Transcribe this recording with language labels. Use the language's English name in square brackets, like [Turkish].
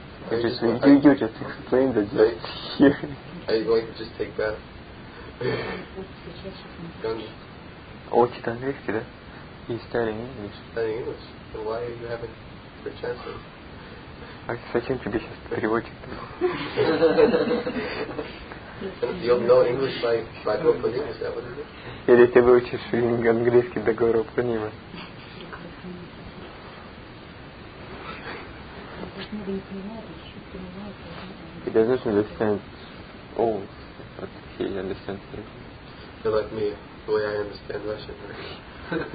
[English] You just explain that you're here. Are you going to just take bath? [Russian] Учит английский, да? [English] He's studying English. Studying English? So why are you having the chances? [Russian] Зачем тебе сейчас переводчик? [English] You'll know English by Gaurapanim, is that what it is? [Russian] Или ты выучишь английский до Гаурапанима? [English] He doesn't understand all, but he understands it. You're like me, the way I understand Russian, right?